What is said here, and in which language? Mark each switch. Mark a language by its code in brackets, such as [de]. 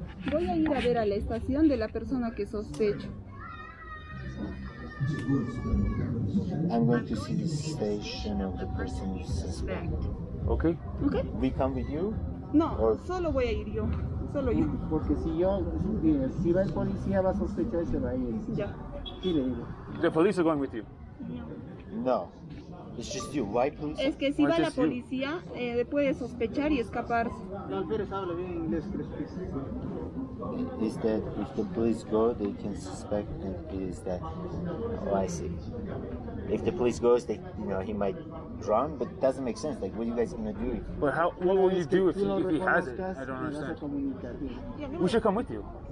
[es] Voy a ir a ver a la estación de la persona que sospecho. [en] I'm going to see the station of the person you suspect. Okay. Okay. We come with you? [es] No, or? Solo voy a ir yo. Solo yo. Porque si yo, si va el policía, va a sospechar y se va a ir. Ya. Dile, dile. [en] The police are going with you? No. It's just you. Why police? [es] Es que si va la policía, puede sospechar y escaparse. No, pero habla bien inglés, creo. [en] Is that if the police go, they can suspect that it is that? Oh, I see. If the police goes, they, you know, he might drown, but it doesn't make sense. Like, what are you guys gonna do? But how? What will you do if he has it? I don't understand. We should come with you.